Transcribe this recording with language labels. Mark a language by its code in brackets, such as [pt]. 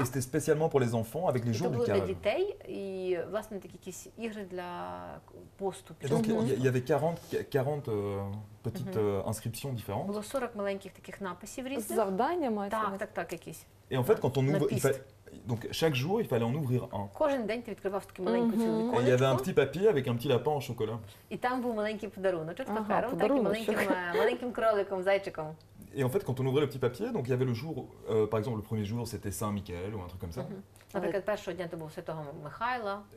[uk] І це спеціально для [fr] les enfants avec les jours du calendrier. [uk] Для дітей і власне такі якісь ігри для посту. [fr] Et donc il y avait 40 petites inscriptions différentes. [uk] Було 40 маленьких таких написів різних. Завдання мають. Так, якісь. [fr] Et en fait, quand on ouvre, donc chaque jour, il fallait en ouvrir un. [uk] Кожен день ти відкривав такий маленький цілий. [fr] Et il y avait un petit papier avec un petit lapin en chocolat. [uk] І там був маленький подарунок, таким маленьким кроликом, зайчиком. [fr] Et en fait, quand on ouvrait le petit papier, donc il y avait le jour, par exemple, le premier jour, c'était Saint-Michel ou un truc comme ça. [uk] Наприклад, першого дня то був Святого Михайла.